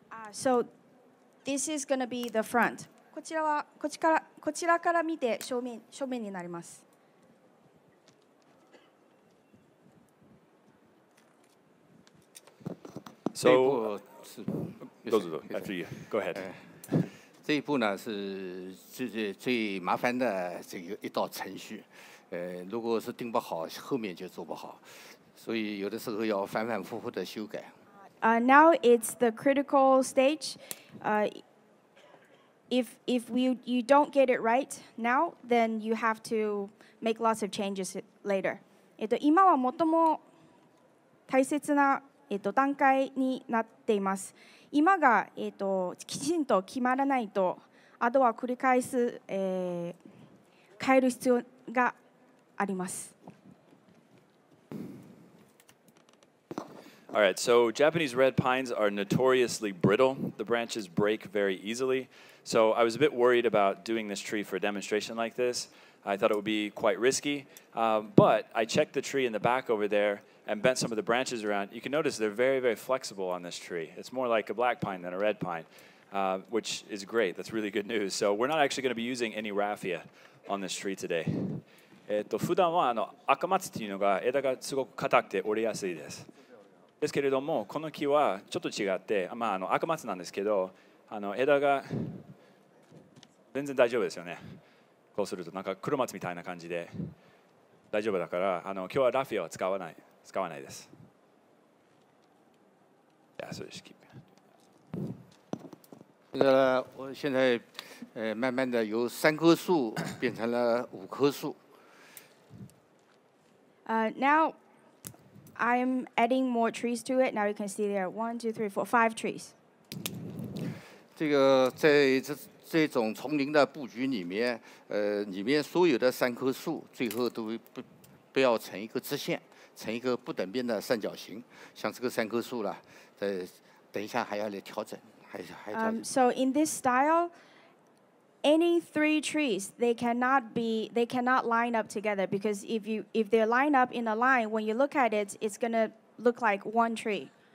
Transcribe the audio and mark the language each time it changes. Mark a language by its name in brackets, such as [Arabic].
[English] So this is going to be the front. [Japanese] こちらから見て正面になります。 [English] So, after you, go ahead. [Chinese] 这一步呢是最麻烦的这一道程序。如果是定不好，后面就做不好。所以有的时候要反反复复的修改。 [English] Now it's the critical stage. If you don't get it right now, then you have to make lots of changes later. [Japanese] 今は最も大切な段階になっています。今がきちんと決まらないと、あとは繰り返す変える必要があります。 [English] All right, so Japanese red pines are notoriously brittle. The branches break very easily. So I was a bit worried about doing this tree for a demonstration like this. I thought it would be quite risky. But I checked the tree in the back over there and bent some of the branches around. You can notice they're very, very flexible on this tree. It's more like a black pine than a red pine, which is great. That's really good news. So we're not actually going to be using any raffia on this tree today. [Japanese] 普段はあの赤松っていうのが枝がすごく硬くて折れやすいです。ですけれどもこの木はちょっと違って、まあ、あの赤松なんですけどあの枝が全然大丈夫ですよね。こうするとなんか黒松みたいな感じで大丈夫だからあの今日はラフィアは使わないです。いやそうです。キープ。だから [Chinese] 我现在慢慢的由三棵树变成了五棵树。 [English] Now, I'm adding more trees to it. Now you can see there are 5 trees. [Chinese] 这个在 这种丛林的布局里面，里面所有的三棵树最后都不要成一个直线，成一个不等边的三角形。像这个三棵树了，等一下还要来调整，还调整。 [English] So in this style. Any three trees, they cannot line up together because if they line up in a line, when you look at it, it's going to look like one tree.